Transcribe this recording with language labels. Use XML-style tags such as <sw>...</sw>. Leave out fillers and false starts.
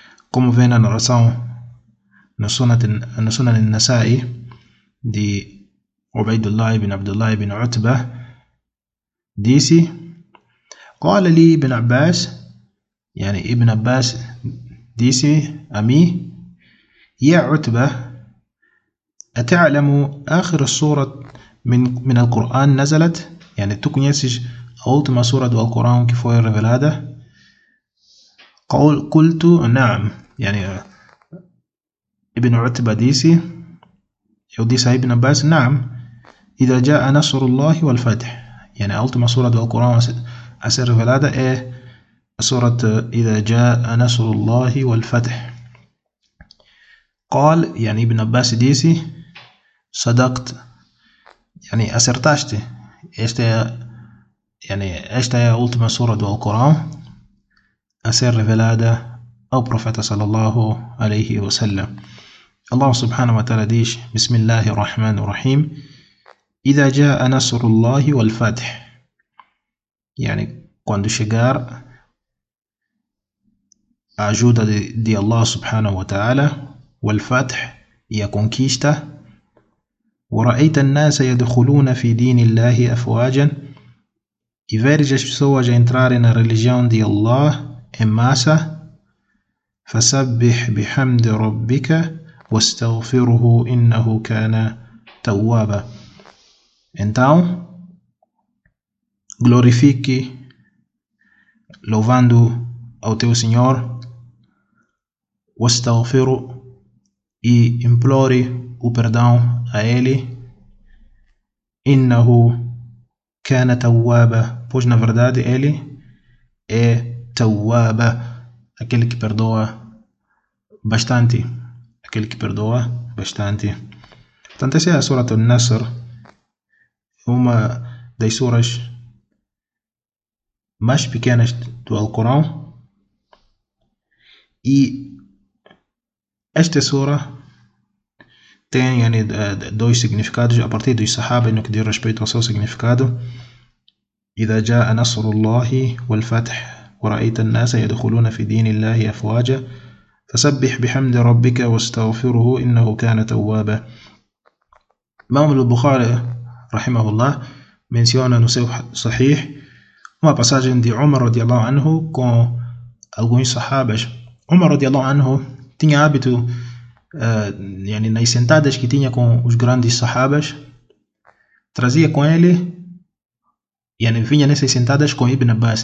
<pt>Como vem na narração no Sunan An-Nasa'i de Ubaidullah ibn Abdullah ibn Utbah, disse:</pt> <ar>قال لي ابن عباس,</ar> <pt>يعني ابن عباس disse a mim:</pt> <ar>يا عتبه أتعلم آخر سورة من القرآن نزلت؟</ar> <pt>يعني tu conheces a última sura do Alcorão que foi revelada?</pt> <ar>قلت نعم. يعني ابن عتبه</ar> <pt>disse, eu disse a</pt> <ar>ابن عباس: نعم, إذا جاء نصر الله والفتح.</ar> <pt>يعني a última sura do Alcorão a ser revelada é a sura</pt> <ar>إذا جاء نصر الله والفتح. قال, يعني ابن عباس</ar> <pt>disse,</pt> <ar>صدقت, يعني</ar> <pt>acertaste. Esta é a última sura do Alcorão a ser revelada ao profeta sallallahu alaihi wasallam. Allah subhanahu wa ta'ala diz: Bismillahir Rahmanir Rahim,</pt> <ar>إذا جاء نصر الله والفتح.</ar> <pt>يعني quando chegar a ajuda de Allah subhanahu wa ta'ala, والفتح, e a conquista.</pt> <ar>ورأيت الناس يدخلون في دين الله أفواجا,</ar> <pt>e veres as pessoas a entrarem na religião de Allah em massa.</pt> <ar>فسبح بحمد ربك واستغفره إنه كان توابا.</ar> <pt>Então, glorifique, louvando ao teu Senhor, واستغفره, e implore o perdão a Ele.</pt> <ar>إنه كان توابا,</ar> <pt>pois na verdade Ele é توابا, aquele que perdoa bastante, aquele que perdoa bastante. Portanto, essa é a sura An-Nasr, uma das suras mais pequenas do Alcorão. E esta sura tem, yani, dois significados a partir dos sahaba no que diz respeito ao seu significado.</pt> <ar>إذا جاء نصر الله والفتح ورأيت الناس يدخلون في دين الله أفواجا فسبح بحمد ربك واستغفره إنه كان توابا.</ar> <pt>Imam al-Bukhari rahimahullah menciona no seu sahih uma passagem de Umar radiallahu anhu com alguns sahabas. Umar radiallahu anhu tinha hábito, yani, nas sentadas que tinha com os grandes sahabas, trazia com ele, yani, vinha nessas sentadas com Ibn Abbas.</pt>